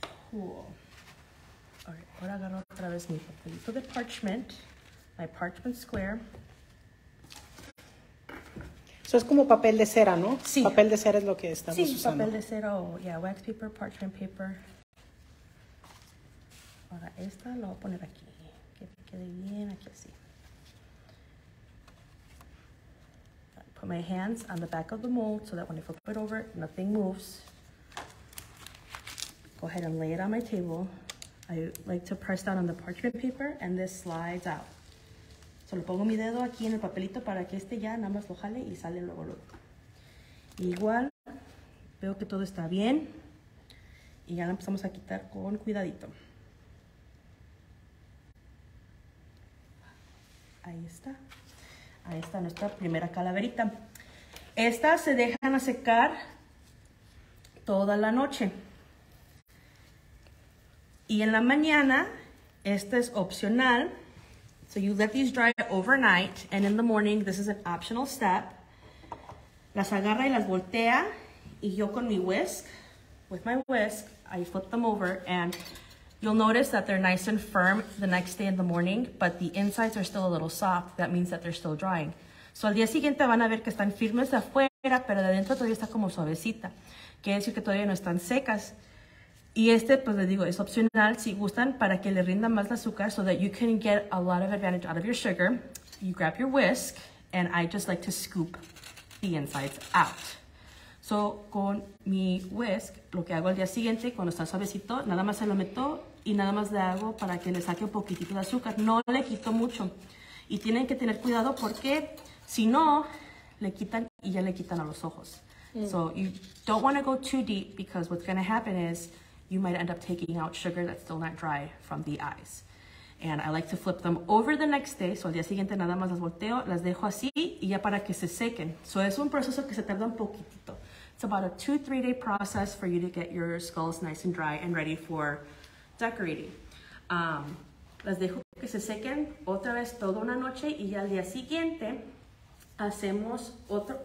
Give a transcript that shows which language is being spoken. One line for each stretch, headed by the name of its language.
English: Cool. All right,
Spanish: ahora agarro otra vez mi papelito de parchment,
English: my parchment square.
Spanish: Eso es como papel de cera, ¿no? Sí. Papel de cera es lo que estamos sí, usando. Sí, papel de cera o, yeah, wax paper, parchment paper. Ahora esta la voy a poner aquí. quede bien aquí así.
English: Put my hands on the back of the mold so that when I flip it over, nothing moves. Go ahead and lay it on my table. I like to press down on the parchment paper and this slides out.
Spanish: So lo pongo mi dedo aquí en el papelito para que este ya nada más lo jale y sale luego luego. Igual, veo que todo está bien. Y ya lo empezamos a quitar con cuidadito. Ahí está. Ahí está nuestra primera calaverita. Estas se dejan a secar toda la noche. Y en la mañana, esta es opcional.
English: So you let these dry overnight, and in the morning, this is an optional step.
Spanish: Las agarra y las voltea, y yo con mi whisk,
English: with my whisk, I flip them over, and you'll notice that they're nice and firm the next day in the morning, but the insides are still a little soft. That means that they're still drying.
Spanish: So al día siguiente van a ver que están firmes de afuera, pero de adentro todavía está como suavecita. Quiere decir que todavía no están secas. Y este, pues les digo, es opcional si gustan para que le rinda más el azúcar,
English: so that you can get a lot of advantage out of your sugar. You grab your whisk, and I just like to scoop the insides out.
Spanish: So con mi whisk, lo que hago al día siguiente, cuando está suavecito, nada más se lo meto y nada más le hago para que le saque un poquitito de azúcar. No le quito mucho. Y tienen que tener cuidado porque si no, le quitan y ya le quitan a los ojos.
English: So you don't want to go too deep because what's going to happen is you might end up taking out sugar that's still not dry from the eyes. And I like to flip them over the next day.
Spanish: So al día siguiente nada más las volteo, las dejo así y ya para que se sequen. So es un proceso que se tarda un poquitito.
English: It's about a 2-3 day process for you to get your skulls nice and dry and ready for decorating.
Spanish: Las dejo que se sequen otra vez toda una noche y ya al día siguiente hacemos otro.